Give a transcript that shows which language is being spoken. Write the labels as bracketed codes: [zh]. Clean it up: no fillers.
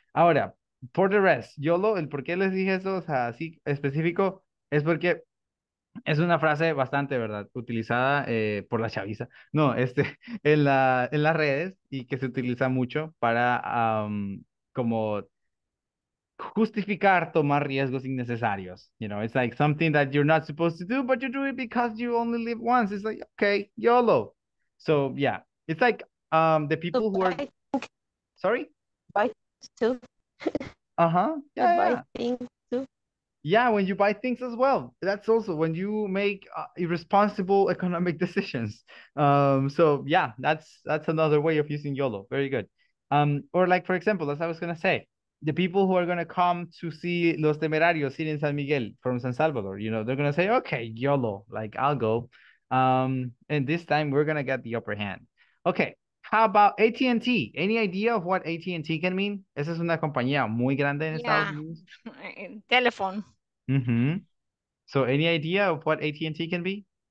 [es] Ahora, [en] for the rest, [es] YOLO, el por qué les dije eso, o sea, así específico, es porque es una frase bastante, ¿verdad?, utilizada por la chaviza. No, en las redes, y que se utiliza mucho para como justificar tomar riesgos innecesarios. [en] You know, it's like something that you're not supposed to do, but you do it because you only live once. It's like, okay, YOLO. So, yeah, it's like the people who are... Sorry? Buy two. Uh-huh. Yeah, buy yeah. Yeah, when you buy things as well. That's also when you make irresponsible economic decisions. So yeah, that's another way of using YOLO. Very good. Or like, for example, as I was going to say, the people who are going to come to see Los Temerarios in San Miguel from San Salvador, you know, they're going to say, okay, YOLO, like I'll go. And this time we're going to get the upper hand. Okay, how about AT&T? Any idea of what AT&T can mean? [es] Esa es una compañía muy grande en Estados Unidos. [en] Telephone. Mm-hmm. So any idea of what AT&T can be?